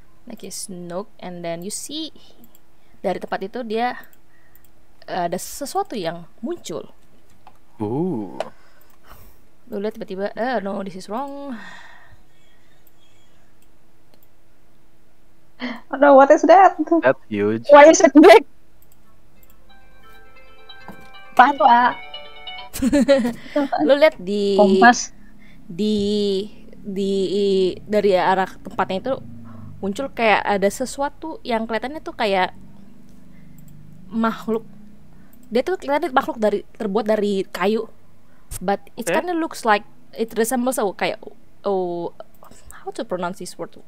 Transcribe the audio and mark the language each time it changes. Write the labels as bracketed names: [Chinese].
[English] Next is Nook, and then you see [Indonesian] dari tempat itu dia ada sesuatu yang muncul. Ooh. Lu lihat tiba-tiba, [English] no, this is wrong. Oh no, what is that? That's huge. Why is it big? Pantua. [Indonesian] Lu lihat di kompas di dari arah tempatnya itu muncul kayak ada sesuatu yang kelihatannya tuh kayak makhluk. Dia tuh kelihatannya makhluk dari terbuat dari kayu. [English] But it kind of looks like it resembles a [Indonesian] kayak [English] how to pronounce this word?